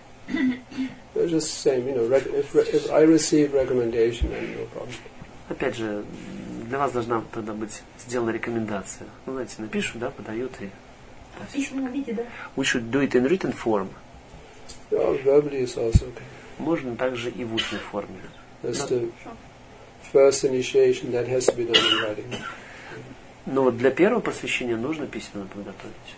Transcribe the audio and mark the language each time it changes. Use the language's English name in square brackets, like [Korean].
[English] It's just the same, you know. If I receive recommendation, then no problem. [Russian] Опять же, для вас должна тогда быть сделана рекомендация. Ну, знаете, напишу, да, подают и. [English] We should do it in written form. Yeah, verbally is also okay. [Russian] Можно также и в устной форме. [English] That's the first initiation that has to be done in writing. [Russian] Но для первого посвящения нужно письменно подготовить.